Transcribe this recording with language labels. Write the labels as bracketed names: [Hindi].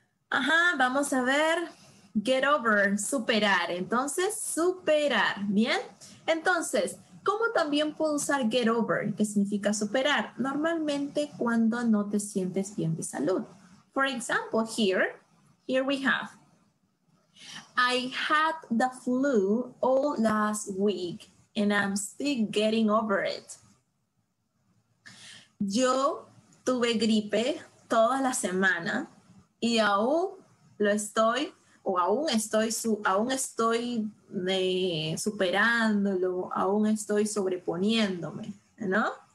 [Spanish] Ajá, vamos a ver. Get over, superar. Entonces, superar. ¿Bien? Entonces, ¿cómo también puedo usar get over? ¿Qué significa superar? Normalmente cuando no te sientes bien de salud. [English] For example, here we have. I had the flu all last week and I'm still getting over it. [Spanish] Yo tuve gripe toda la semana y aún estoy superándolo, aún estoy sobreponiéndome, ¿no?